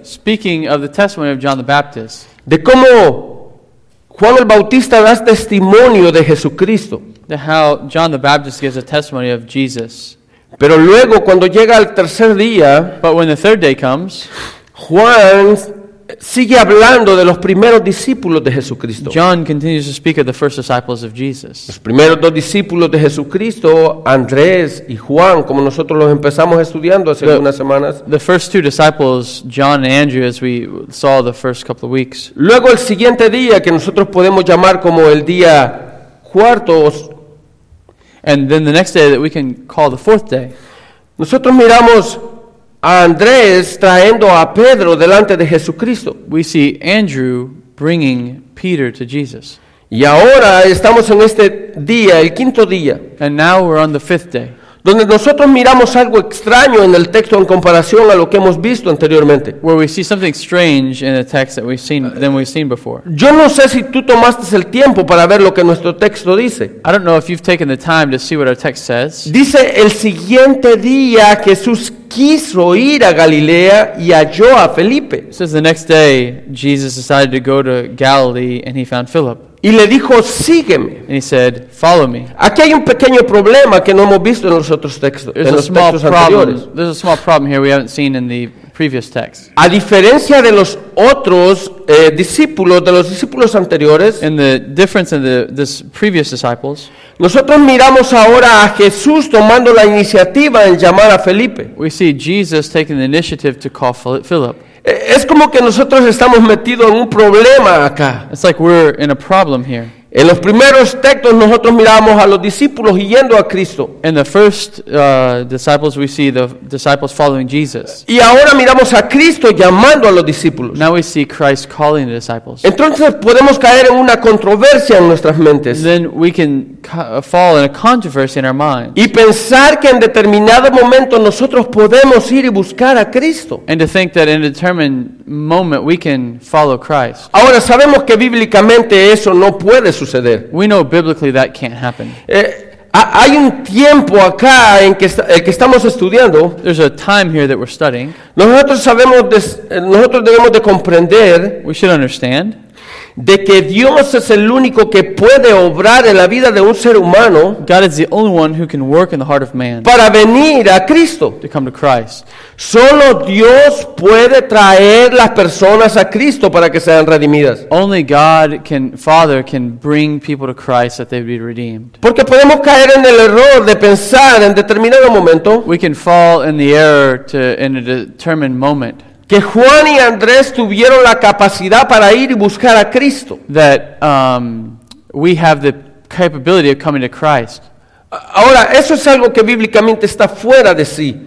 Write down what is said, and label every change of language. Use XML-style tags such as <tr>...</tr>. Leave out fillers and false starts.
<en>Speaking of the testimony of John the Baptist.</en> <es>De cómo Juan el Bautista da testimonio de Jesucristo.</es> <en>De how John the Baptist gives a testimony of Jesus.</en> <es>Pero luego, cuando llega el tercer día,</es> <en>but when the third day comes,</en> <es>Juan sigue hablando de los primeros discípulos de Jesucristo.</es> <en>John continues to speak of the first disciples of Jesus.</en> <es>Los primeros dos discípulos de Jesucristo, Andrés y Juan, como nosotros los empezamos estudiando hace unas semanas.</es> <en>The first two disciples, John and Andrew, as we saw the first couple of weeks.</en> <es>Luego el siguiente día, que nosotros podemos llamar como el día cuarto.</es> <en>And then the next day that we can call the fourth day.</en> <es>Nosotros miramos a Andrés trayendo a Pedro delante de Jesucristo.</es> <en>We see Andrew bringing Peter to Jesus.</en> <es>Y ahora estamos en este día, el quinto día.</es> <en>And now we're on the fifth day.</en> <es>Donde nosotros miramos algo extraño en el texto en comparación a lo que hemos visto anteriormente.</es> <en>Where we see something strange in the text that we've seen than we've seen before.</en> <es>Yo no sé si tú tomaste el tiempo para ver lo que nuestro texto dice.</es> <en>I don't know if you've taken the time to see what our text says.</en> <es>Dice: el siguiente día Jesús quiso ir a Galilea y halló a Felipe.</es> <en>It says the next day Jesus decided to go to Galilee and he found Philip.</en> <es>Y le dijo, sígueme.</es> <en>And he said, follow me.</en> <es>Aquí hay un pequeño problema que no hemos visto en los otros textos.</es> <en>There's</en> <es>en los textos anteriores.</es> <en>There's a small problem here we haven't seen in the previous text.</en> <es>A diferencia de los otros discípulos, de los discípulos anteriores.</es> <en>In the difference in the previous disciples.</en> <es>Nosotros miramos ahora a Jesús tomando la iniciativa en llamar a Felipe.</es> <en>We see Jesus taking the initiative to call Philip.</en> <es>Es como que nosotros estamos metidos en un problema acá.</es> <en>It's like we're in a problem here.</en> <es>En los primeros textos nosotros miramos a los discípulos yendo a Cristo.</es> <en>In the first disciples we see the disciples following Jesus.</en> <es>Y ahora miramos a Cristo llamando a los discípulos.</es> <en>Now we see Christ calling the disciples.</en> <es>Entonces podemos caer en una controversia en nuestras mentes.</es> <en>Then we can fall in a controversy in our minds.</en> <es>Y pensar que en determinado momento nosotros podemos ir y buscar a Cristo.</es> <en>And to think that in a determined moment we can follow Christ.</en> <es>Ahora sabemos que bíblicamente eso no puede suceder.</es> <en>We know biblically that can't happen.</en> <es>hay un tiempo acá en que que estamos estudiando.</es> <en>There's a time here that we're studying.</en> <es>Nosotros sabemos de, nosotros debemos de comprender.</es> <en>We should understand.</en> <es>De que Dios es el único que puede obrar en la vida de un ser humano.</es> <en>God is the only one who can work in the heart of man.</en> <es>Para venir a Cristo.</es> <en>To come to Christ.</en> <es>Solo Dios puede traer las personas a Cristo para que sean redimidas.</es> <en>Only God can, Father can bring people to Christ that they be redeemed.</en> <es>Porque podemos caer en el error de pensar en determinado momento.</es> <en>We can fall in the error to in a determined moment.</en> <es>Que Juan y Andrés tuvieron la capacidad para ir y buscar a Cristo.</es> <en>That we have the capability of coming to Christ.</en> <es>Ahora, eso es algo que bíblicamente está fuera de sí.</es>